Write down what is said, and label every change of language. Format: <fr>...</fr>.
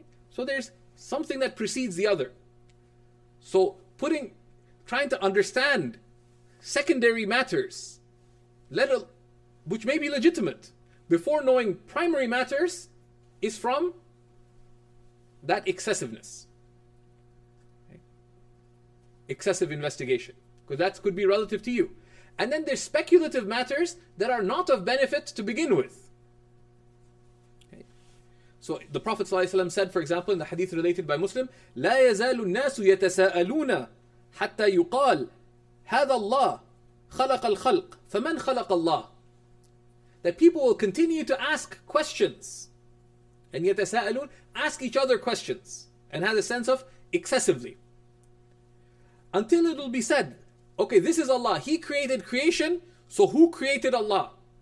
<en>So there's something that precedes the other. So trying to understand secondary matters, which may be legitimate, before knowing primary matters, is from that excessiveness. Okay. Excessive investigation. Because that could be relative to you. And then there's speculative matters that are not of benefit to begin with. So the Prophet ﷺ said, for example, in the hadith related by Muslim,</en> <ar>لا يزال الناس يتساءلون حتى يقال هذا الله خلق الخلق فمن خلق الله.</ar> <en>That people will continue to ask questions, and يتساءلون, ask each other questions, and have a sense of excessively. Until it will be said, okay, this is Allah, He created creation, so who created Allah?</en>